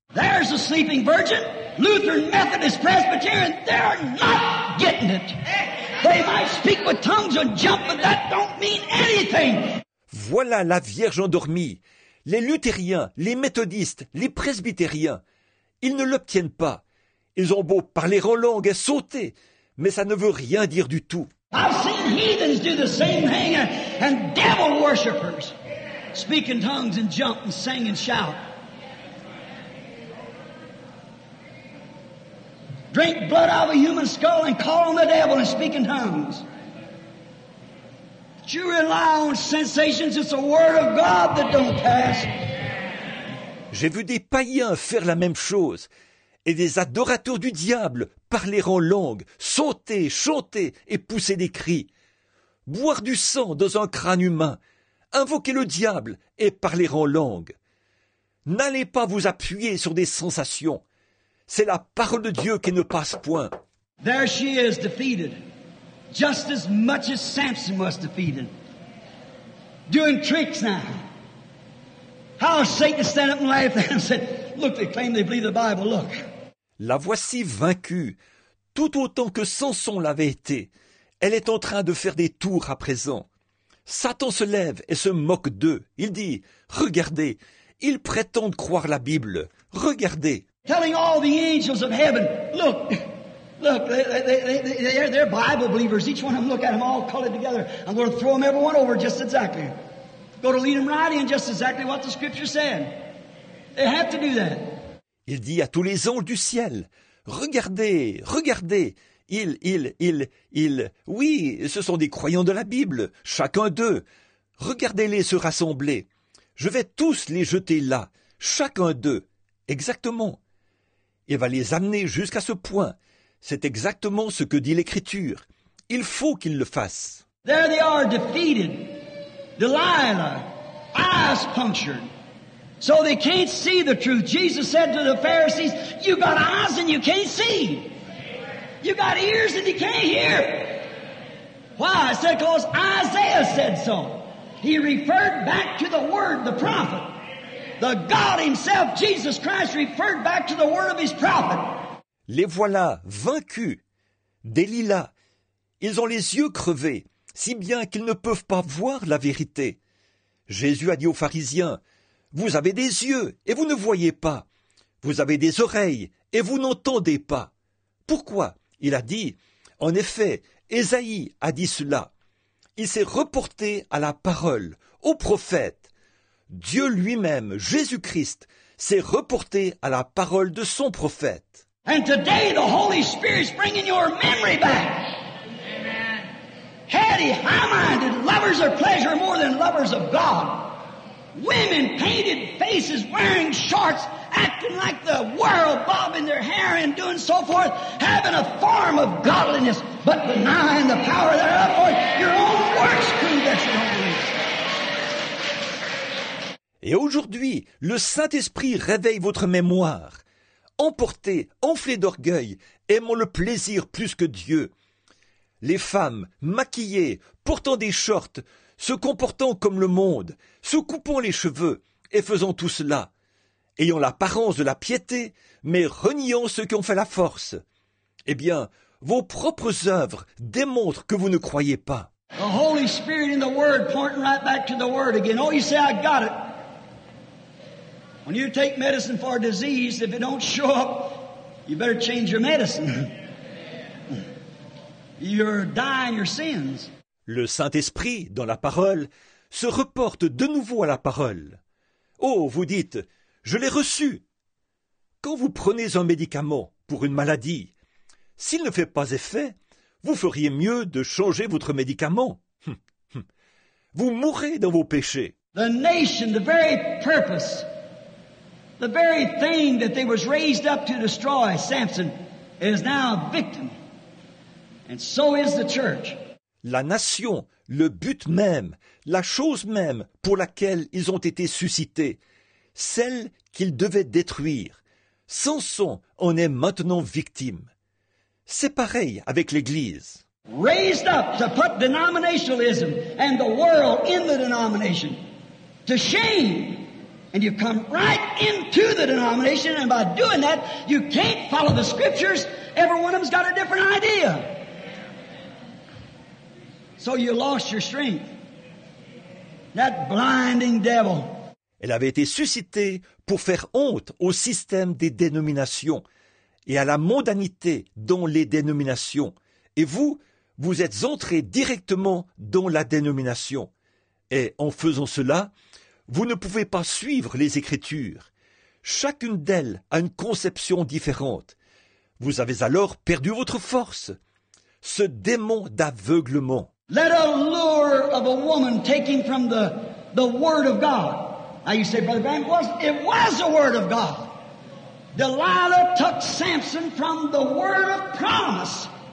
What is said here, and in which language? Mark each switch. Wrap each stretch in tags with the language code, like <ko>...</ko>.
<en>There's a sleeping virgin, Lutheran, Methodist, Presbyterian, they're not getting it. They might speak with tongues and jump, but that don't mean anything.</en> <fr>Voilà la Vierge endormie. Les luthériens, les méthodistes, les presbytériens, ils ne l'obtiennent pas. Ils ont beau parler en langue et sauter, mais ça ne veut rien dire du tout.</fr> <en>I've seen heathens do the same thing and devil worshippers speak in tongues and jump and sing and shout. Drink blood out of a human skull and call on the devil and speak in tongues. But you rely on sensations, it's the word of God that don't pass.</en> <fr>J'ai vu des païens faire la même chose et des adorateurs du diable parler en langue, sauter, chanter et pousser des cris. Boire du sang dans un crâne humain, invoquer le diable et parler en langue. N'allez pas vous appuyer sur des sensations. C'est la parole de Dieu qui ne passe point.</fr> <en>There she is defeated, just as much as Samson was defeated. Doing tricks now. How Satan stand up and laugh and said, look, they claim they believe the Bible, look.</en> <fr>La voici vaincue, tout autant que Samson l'avait été. Elle est en train de faire des tours à présent. Satan se lève et se moque d'eux. Il dit, regardez, ils prétendent croire la Bible. Regardez.</fr> <en>Telling all the angels of heaven, look, look, they're Bible believers. Each one of them, look at them all colored together. I'm going to throw them every one over just exactly. Go to lead them right in just exactly what the scripture said. They have to do that.</en> <fr>Il dit à tous les anges du ciel, regardez, regardez, ils, oui, ce sont des croyants de la Bible, chacun d'eux. Regardez-les se rassembler. Je vais tous les jeter là, chacun d'eux, exactement. Il va les amener jusqu'à ce point. C'est exactement ce que dit l'Écriture. Il faut qu'ils le fassent.</fr> <en>There they are defeated. Delilah, eyes punctured. So they can't see the truth. Jesus said to the Pharisees, you got eyes and you can't see. You got ears and you can't hear. Why? I said, because Isaiah said so. He referred back to the word, the prophet. The God himself, Jesus Christ, referred back to the word of his prophet.</en> <fr>Les voilà vaincus. Delilah, ils ont les yeux crevés, si bien qu'ils ne peuvent pas voir la vérité. Jésus a dit aux pharisiens, vous avez des yeux et vous ne voyez pas. Vous avez des oreilles et vous n'entendez pas. Pourquoi? Il a dit, en effet, Ésaïe a dit cela. Il s'est reporté à la parole, au prophète. Dieu lui-même, Jésus-Christ, s'est reporté à la parole de son prophète.</fr> <en>And today the Holy Spirit's bringing your memory back. Heady, high-minded, lovers of pleasure more than lovers of God. Women, painted faces, wearing shorts, acting like the world, bobbing their hair and doing so forth, having a form of godliness, but denying the power thereof, for your own works prove that you don't believe.</en> <fr>Et aujourd'hui, le Saint-Esprit réveille votre mémoire. Emporté, enflé d'orgueil, aimant le plaisir plus que Dieu. Les femmes, maquillées, portant des shorts, se comportant comme le monde, se coupant les cheveux et faisant tout cela, ayant l'apparence de la piété, mais reniant ceux qui ont fait la force. Eh bien, vos propres œuvres démontrent que vous ne croyez pas.</fr> <en>The Holy Spirit in the Word, pointing right back to the Word again. Oh, you say, I got it. When you take medicine for a disease, if it don't show up, you better change your medicine. You're dying your sins.</en> <fr>Le Saint-Esprit, dans la parole, se reporte de nouveau à la parole. Oh, vous dites, je l'ai reçu. Quand vous prenez un médicament pour une maladie, s'il ne fait pas effet, vous feriez mieux de changer votre médicament. Vous mourrez dans vos péchés.</fr> <en>The nation, the very purpose, the very thing that they was raised up to destroy, Samson, is now a victim. And so is the church.</en> <fr>La nation, le but même, la chose même pour laquelle ils ont été suscités, celle qu'ils devaient détruire, Samson en est maintenant victime. C'est pareil avec l'Église.</fr> <en>Raised up to put denominationalism and the world in the denomination to shame. And you come right into the denomination, and by doing that, you can't follow the scriptures. Every one of them's got a different idea. So you lost your strength. That blinding devil.</en> <fr>Elle avait été suscitée pour faire honte au système des dénominations et à la mondanité dans les dénominations. Et vous, vous êtes entré directement dans la dénomination. Et en faisant cela, vous ne pouvez pas suivre les Écritures. Chacune d'elles a une conception différente. Vous avez alors perdu votre force. Ce démon d'aveuglement.</fr> <en>Let a lure of a woman taken from the Word of God. Now you say, Brother Branham, it was the Word of God. Delilah took Samson from the Word of promise.</en>